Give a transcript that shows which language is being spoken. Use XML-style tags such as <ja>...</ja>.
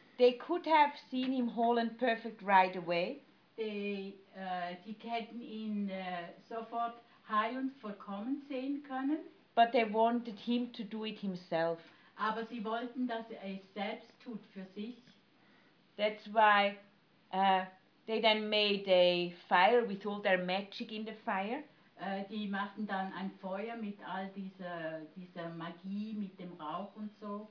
<en>They could have seen him whole and perfect right away.</en> <de>Sie hätten ihn sofort heil und vollkommen sehen können.</de> <en>But they wanted him to do it himself.</en> <de>Aber sie wollten, dass es selbst tut für sich.</de> <en>That's why they then made a fire with all their magic in the fire.</en> <de>Die machten dann ein Feuer mit all dieser Magie, mit dem Rauch und so.</de>